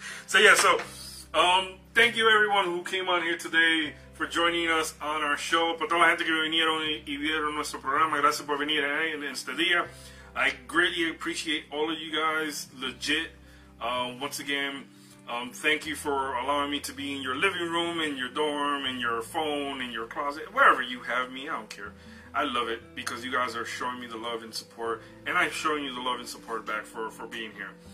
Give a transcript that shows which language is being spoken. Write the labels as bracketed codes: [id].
[en] So thank you everyone who came on here today for joining us on our show. [es] Por toda la gente que vinieron y vieron nuestro programa, gracias por venir en este día. [en] I greatly appreciate all of you guys, legit. Once again, thank you for allowing me to be in your living room, in your dorm, in your phone, in your closet, wherever you have me, I don't care. I love it because you guys are showing me the love and support, and I'm showing you the love and support back for being here.